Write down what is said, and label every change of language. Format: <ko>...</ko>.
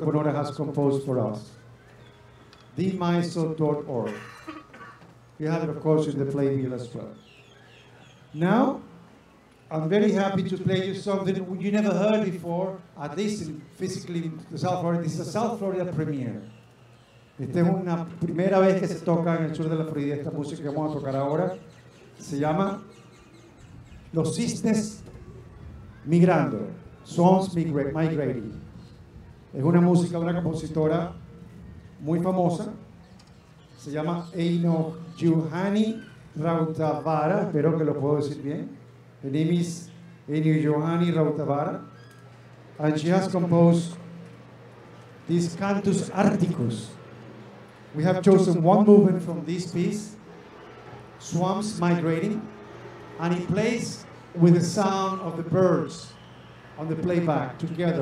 <en>Bonora has composed for us. MISO.org. We have it, of course, in the playbill as well. Now, I'm very happy to play you something you never heard before, at least physically in South Florida. This is a South Florida premiere.</en> <es>Esta es una primera vez que se toca en el sur de la Florida esta música que vamos a tocar ahora. Se llama Los Cisnes Migrando,</es> <en>Swans Migrating.</en> <es>Es una música de una compositora muy famosa. Se llama Eino Juhani Rautavaara, espero que lo puedo decir bien.</es> <en>Her name is and Johanny Rautavara, and she has composed this Cantus Articus. We have chosen one movement from this piece, Swamps Migrating, and it plays with the sound of the birds on the playback together.</en>